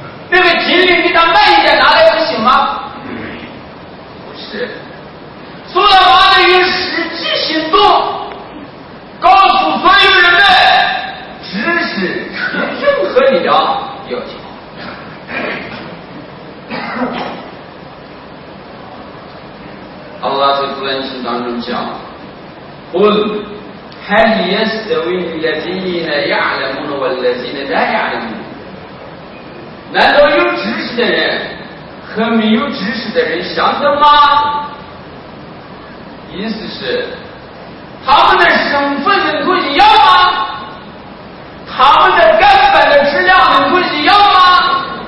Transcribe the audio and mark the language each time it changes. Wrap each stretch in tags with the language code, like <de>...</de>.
<zh>那个精灵给他慢一点拿来不行吗？不是，苏勒马达于实际行动告诉所有人们，知识比任何力量要强。恩书当中讲，</zh> <ar>قل هل يستوي الذين يعلمون والذين لا يعلمون？</ar> <zh>难道有知识的人和没有知识的人相等吗？意思是，他们的身份能够一样吗？他们的根本的质量能够一样吗？</zh>